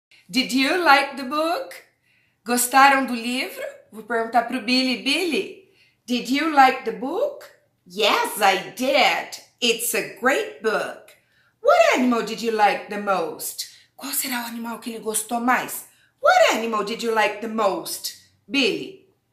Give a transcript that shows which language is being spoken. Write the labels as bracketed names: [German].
[English] Did you like the book? [Portuguese] Gostaram do livro? Vou perguntar pro Billy. [English] Billy, did you like the book? Yes, I did. It's a great book. What animal did you like the most? [Portuguese] Qual será o animal que ele gostou mais? [English] What animal did you like the most, Billy?